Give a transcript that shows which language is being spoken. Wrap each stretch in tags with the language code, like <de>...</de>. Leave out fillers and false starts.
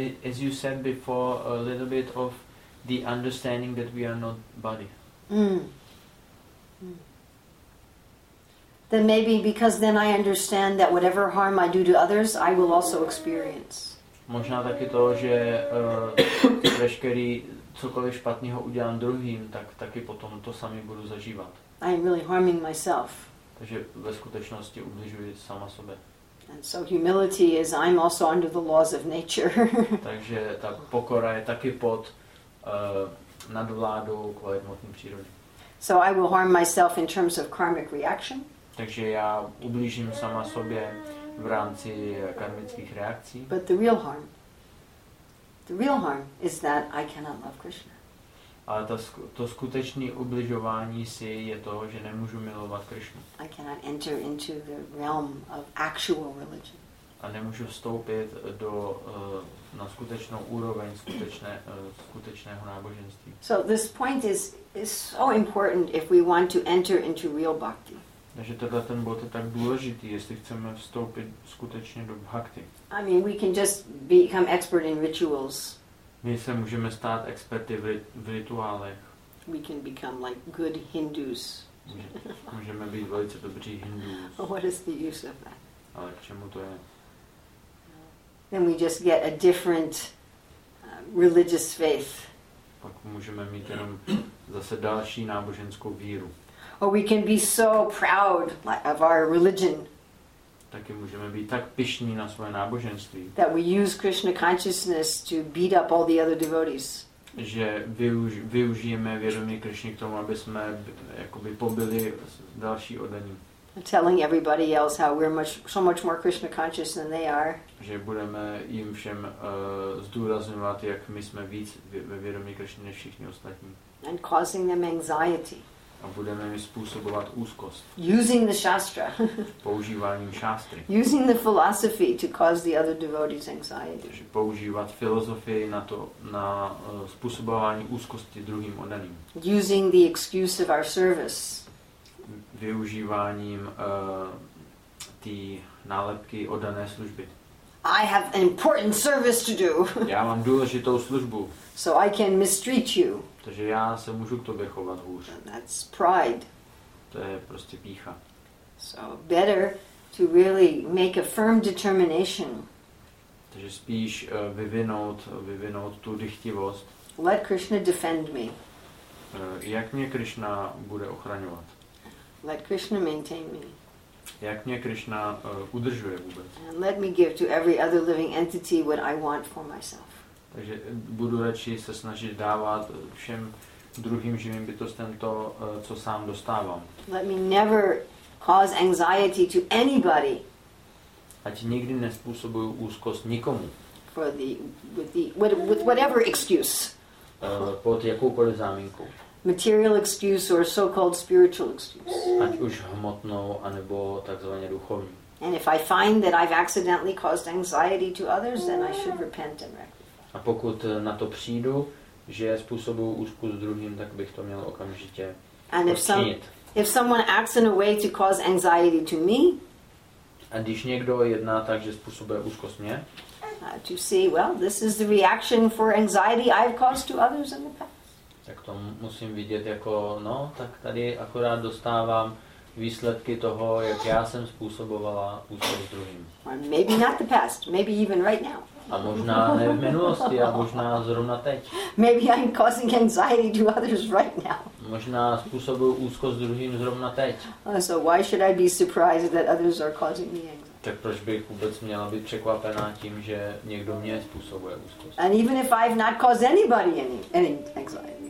<en>As you said before, a little bit of the understanding that we are not body. Then maybe because then I understand that whatever harm I do to others, I will also experience.</en> <cs>Možná taky to, že veškerý cokoliv špatného udělám druhým, tak taky potom to sami budu zažívat.</cs> <en>I am really harming myself.</en> <cs>Takže ve skutečnosti ubližuji sama sobě.</cs> <en>And so humility is I'm also under the laws of nature.</en> <cs>Takže ta pokora je taky pod nadvládou kvalitní přírody.</cs> <en>So I will harm myself in terms of karmic reaction.</en> <cs>Takže já ublížím sama sobě v rámci karmických reakcí.</cs> <en>But the real harm is that I cannot love Krishna.</en> <cs>Ale to skutečné ubližování si je to, že nemůžu milovat Krishnu.</cs> <en>I cannot enter into the realm of actual religion.</en> <cs>a nemůžu vstoupit do na skutečnou úroveň skutečného náboženství.</cs> <en>So this point is so important if we want to enter into real bhakti.</en> <cs>Takže tohle ten bod je tak důležitý, jestli chceme vstoupit skutečně do bhakti.</cs> <en>I mean, we can just become expert in rituals.</en> <cs>My se můžeme stát experty v rituálech.</cs> <en>We can become like good Hindus.</en> <cs>Můžeme být velice dobří Hindus.</cs> <en>What is the use of that?</en> <cs>Ale k čemu to je?</cs> <en>Then we just get a different religious faith.</en> <cs>Pak můžeme mít jenom zase další náboženskou víru.</cs> <en>Or we can be so proud of our religion.</en> <cs>Taky můžeme být tak pyšní na svoje náboženství.</cs> <en>That we use Krishna consciousness to beat up all the other devotees.</en> <cs>Že využijeme vědomí Krishny k tomu, aby jsme jakoby pobili další oddaní.</cs> <en>Telling everybody else how we're so much more Krishna conscious than they are.</en> <cs>Že budeme jim všem zdůrazňovat, jak my jsme víc ve vědomí Krishny než všichni ostatní.</cs> <en>And causing them anxiety.</en> <cs>A budeme jim způsobovat úzkost.</cs> <en>Using the shastra.</en> <cs>Používáním šástry.</cs> <en>Using the philosophy to cause the other devotees anxiety.</en> <cs>Takže používat filozofii na to, na způsobování úzkosti druhým oddaným.</cs> <en>Using the excuse of our service.</en> <cs>Využíváním té nálepky oddané služby.</cs> <en>I have an important service to do.</en> <cs>Já mám důležitou službu.</cs> <en>So I can mistreat you.</en> <cs>Takže já se můžu k tobě chovat hůř.</cs> <en>And that's pride.</en> <cs>To je prostě pýcha.</cs> <en>So better to really make a firm determination.</en> <cs>Takže spíš vyvinout tu dychtivost.</cs> <en>Let Krishna defend me.</en> <cs>Jak mě Krishna bude ochraňovat?</cs> <en>Let Krishna maintain me.</en> <cs>Jak mě Krishna udržuje vůbec?</cs> <en>And let me give to every other living entity what I want for myself.</en> <cs>Takže budu radši se snažit dávat všem druhým živým bytostem to, co sám dostávám.</cs> <en>Let me never cause anxiety to anybody.</en> <cs>Ať nikdy nespůsobuju úzkost nikomu.</cs> <en>With whatever excuse.</en> <cs>Pod jakoukoliv záminkou.</cs> <en>Material excuse or so-called spiritual excuse.</en> <cs>Ať už hmotnou anebo takzvaně duchovní.</cs> <en>And if I find that I've accidentally caused anxiety to others, then I should repent and rectify.</en> <cs>A pokud na to přijdu, že způsobuju úzkost druhým, tak bych to měl okamžitě odčinit.</cs> <en>If someone acts in a way to cause anxiety to me,</en> <cs>a když někdo jedná tak, že způsobuje úzkost mě,</cs> <en>to see, well, this is the reaction for anxiety I've caused to others in the past.</en> <cs>Tak to musím vidět jako, no, tak tady akorát dostávám výsledky toho, jak já jsem způsobovala úzkost druhým.</cs> <en>Or maybe not the past, maybe even right now.</en> <cs>A možná ne v minulosti, a možná zrovna teď.</cs> <en>Maybe I'm causing anxiety to others right now.</en> <cs>Možná způsobuju úzkost druhým zrovna teď.</cs> <en>So why should I be surprised that others are causing me anxiety?</en> <cs>Tak proč bych vůbec měla být překvapená tím, že někdo mě způsobuje úzkost?</cs> <en>And even if I've not caused anybody any anxiety.</en>